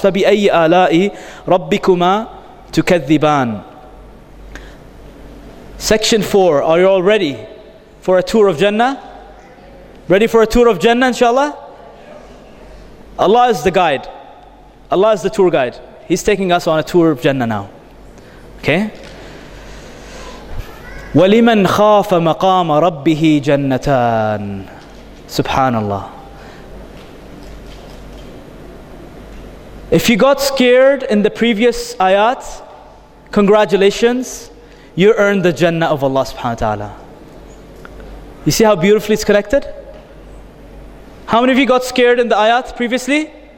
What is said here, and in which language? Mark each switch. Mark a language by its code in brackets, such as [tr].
[ar] فَبِأَيِّ آلَاءِ رَبِّكُمَا تُكَذِّبَانِ [en] Section 4, are you all ready for a tour of Jannah? Ready for a tour of Jannah, inshallah? Allah is the guide. Allah is the tour guide. He's taking us on a tour of Jannah now. Okay? [ar] وَلِمَنْ خَافَ مَقَامَ رَبِّهِ جَنَّتَانِ Subhanallah. [en] If you got scared in the previous ayat, congratulations, you earned the Jannah of Allah subhanahu wa ta'ala. You see how beautifully it's connected? How many of you got scared in the ayat previously?